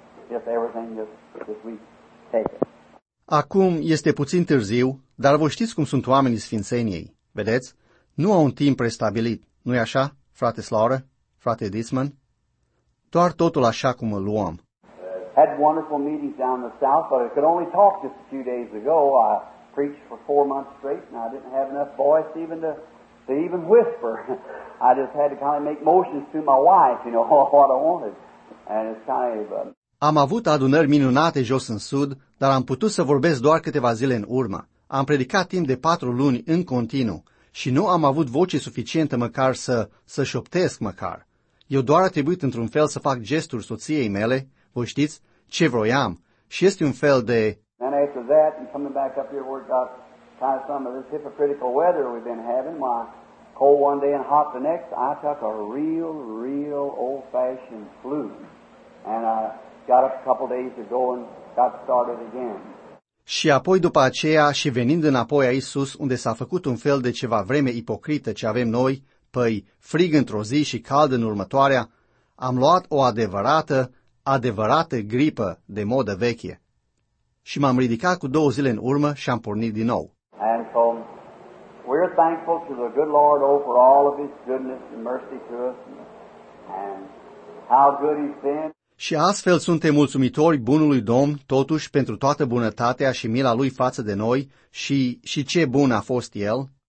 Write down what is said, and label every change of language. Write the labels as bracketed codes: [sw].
[en] Just everything, just we take it. [ro] Acum este puțin târziu, dar voi știți cum sunt oamenii Sfințeniei, vedeți? Nu au un timp prestabilit, nu-i așa, frate Slaură, frate Dismann? Doar totul așa cum îl luăm. [en] Had wonderful meetings down the south, but I could only talk just a few days ago. I preached for 4 months straight, and I didn't have enough voice even to even whisper. I just had to kind of make motions to my wife, you know, what I wanted. And it's kind of... [ro] Am avut adunări minunate jos în sud, dar am putut să vorbesc doar câteva zile în urmă. Am predicat timp de 4 luni în continuu și nu am avut voce suficientă măcar să șoptesc măcar. Eu doar a trebuit într-un fel să fac gesturi soției mele, voi știți, ce vroiam. Și este un fel de... [en] And after that, and coming back up here, we've got kind of some of this hypocritical weather we've been having. My cold one day and hot the next, I took a real, real old-fashioned flu. And I... got up a couple days ago and got started again. [ro] Și apoi după aceea și venind înapoi aici sus, unde s-a făcut un fel de ceva vreme ipocrită ce avem noi, păi frig într-o zi și cald în următoarea, am luat o adevărată gripă de modă veche. Și m-am ridicat cu 2 zile în urmă și am pornit din nou. [en] And so we're thankful to the good Lord over all of his goodness and mercy to us and how good he's been. [ro] Și astfel suntem mulțumitori bunului Domn, totuși, pentru toată bunătatea și mila Lui față de noi și ce bun a fost El.